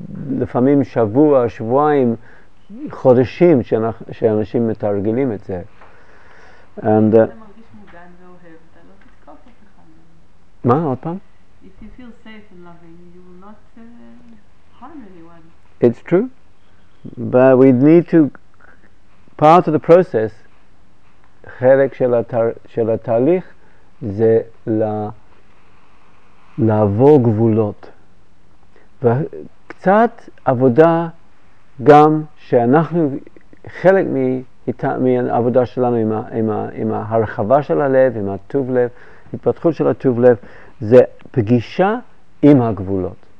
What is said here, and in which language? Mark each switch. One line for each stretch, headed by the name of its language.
Hebrew: לפעמים שבוע, שבועיים, חודשים שאנשים מתרגלים את זה. אתה מרגיש מוגן ואוהב, אתה לא תתקוף אותך. מה, עוד פעם?
English: If you feel safe and loving, you will not harm anyone. It's true, but we need to... Part of the process,
Hebrew: חלק של התהליך, זה לעבור גבולות. וקצת עבודה גם שאנחנו, חלק מהעבודה שלנו עם ההרחבה של הלב, עם הטוב לב, התפתחות של הטוב לב, זה פגישה עם הגבולות.